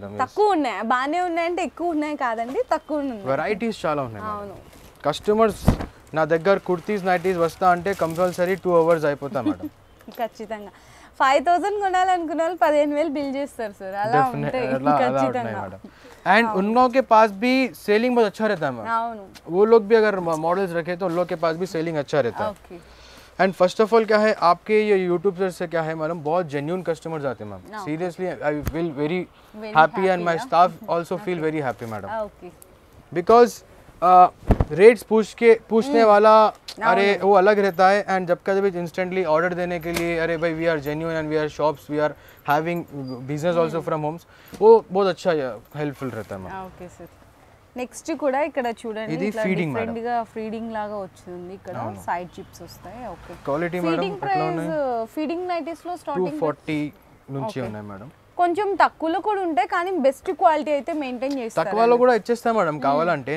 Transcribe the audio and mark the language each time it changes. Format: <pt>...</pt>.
<te>తక్కువ ఉన్నాయి బానే ఉన్నాయి అంటే ఎక్కువ ఉన్నాయి కాదండి తక్కువ ఉన్నాయి. వెరైటీస్ చాలా ఉన్నాయి. అవును కస్టమర్స్ నా దగ్గర కుర్తీస్ నైటీస్ వస్తా అంటే కంపల్సరీ 2 అవర్స్ అయిపోతా మేడం. ఖచ్చితంగా 5000 కొనాలనుకున్న వాళ్ళు 15000 బిల్ చేస్తారు సార్. అలా ఉంటాయి ఖచ్చితంగా మేడం.</te> <hi>एंड उन लोगों के पास भी सेलिंग बहुत अच्छा रहता है. वो लोग भी अगर मॉडल्स रखे तो उन लोगों के पास भी सेलिंग अच्छा रहता है. एंड फर्स्ट ऑफ ऑल क्या है आपके ये यूट्यूब से क्या है मैडम बहुत जेन्युइन कस्टमर्स आते हैं ma'am.</hi> <en>Seriously I feel very happy and my staff also feel very happy madam.</en> <hi>Because rates पूछने वाला अरे वो अलग रहता है. एंड जब कभी इंस्टेंटली ऑर्डर देने के लिए अरे भाई</hi> <en>we are genuine and we are shops we are having business also from homes</en> <hi>वो बहुत अच्छा हेल्पफुल रहता है मैम.</hi> <te>ओके सर నెక్స్ట్ కూడా ఇక్కడ చూడండి ఇది ఫీడింగ్ ఫ్రెండ్ గా ఫీడింగ్ లాగా వస్తుంది. ఇక్కడ సైడ్ చిప్స్ వస్తాయి. Okay quality madam feeding price feeding nighties లో స్టార్టింగ్ 240 నుంచి ఉన్నాయి మేడం. కొంచెం తక్కువలో కూడా ఉంటాయి కానీ బెస్ట్ క్వాలిటీ అయితే మెయింటైన్ చేస్తారు. తక్కువలో కూడా ఇచ్చేస్తా మేడం కావాలంటే.</te>